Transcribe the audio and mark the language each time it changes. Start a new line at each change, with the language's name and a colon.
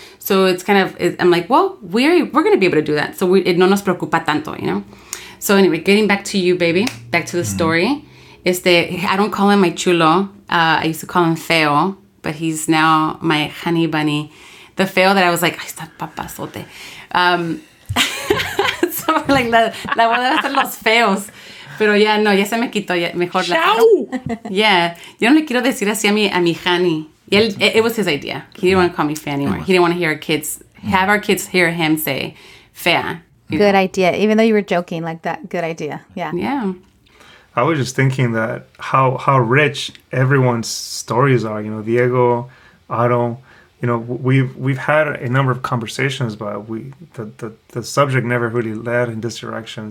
English: So it's kind of, I'm like, well, we're going to be able to do that. So it
Spanish: no nos preocupa tanto,
English: you know? So anyway, getting back to you, baby, back to the mm-hmm. story, is that I don't call him my chulo. I used to call him feo, but he's now my honey bunny. The feo that I was like,
Spanish: ay, está papasote. so like, la voy a hacer los feos. Pero ya no, ya se me quitó, ya, mejor. ¡Chao! Yeah, yo no le quiero decir así a mi honey.
English: It was his idea. He didn't want to call me fea anymore. He didn't want to hear our kids, have our kids hear him say fea. Good idea. Even though you were joking like that, good idea. Yeah. Yeah. I was just thinking that how rich everyone's stories are. You know, Diego, Otto, you know, we've had a number of conversations, but the subject never really led in this direction.